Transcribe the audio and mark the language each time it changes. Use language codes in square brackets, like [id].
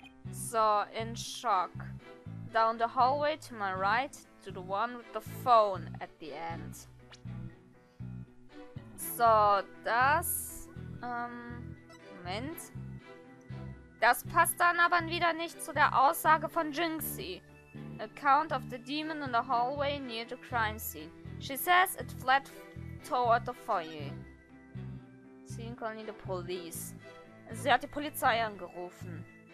[en] Saw in shock down the hallway to my right to the one with the phone at the end. [de] So das Moment, das passt dann aber wieder nicht zu der Aussage von Jinxie. [en] Account of the demon in the hallway near the crime scene. She says it fled toward the foyer. Sie called the police. [de] Sie hat die Polizei angerufen.